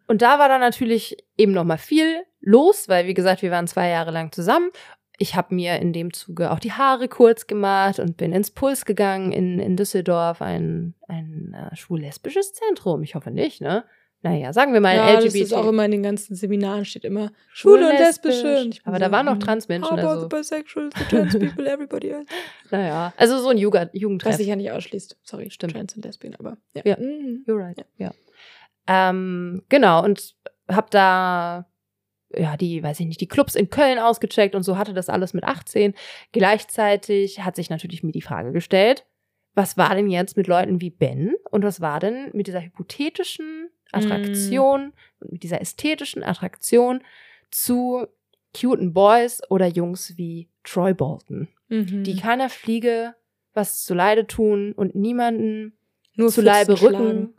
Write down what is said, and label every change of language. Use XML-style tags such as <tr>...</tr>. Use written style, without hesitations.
<de>Und da war dann natürlich eben nochmal viel los, weil wie gesagt, wir waren 2 Jahre lang zusammen. Ich habe mir in dem Zuge auch die Haare kurz gemacht und bin ins Puls gegangen in Düsseldorf, ein schwul-lesbisches Zentrum. Ich hoffe nicht, ne? Naja, sagen wir mal ja, LGBT. Ja, das ist auch immer in den ganzen Seminaren, steht immer schwul und lesbisch. Aber so, da waren auch Transmenschen.</de> <en>How about the bisexuals, the trans people, everybody else?</en> <de>Naja, also so ein Jugendtreff. Was sich ja nicht ausschließt. Sorry, stimmt. Trans und lesbian, aber ja.</de> <en>Ja. Mm-hmm. You're right, ja.</en> <de>Genau, und hab da, ja, die, weiß ich nicht, die Clubs in Köln ausgecheckt und so, hatte das alles mit 18. Gleichzeitig hat sich natürlich mir die Frage gestellt, was war denn jetzt mit Leuten wie Ben und was war denn mit dieser hypothetischen Attraktion, mit dieser ästhetischen Attraktion zu cuten Boys oder Jungs wie Troy Bolton, die keiner Fliege was zu Leide tun und niemanden nur zu Leibe rücken.</de>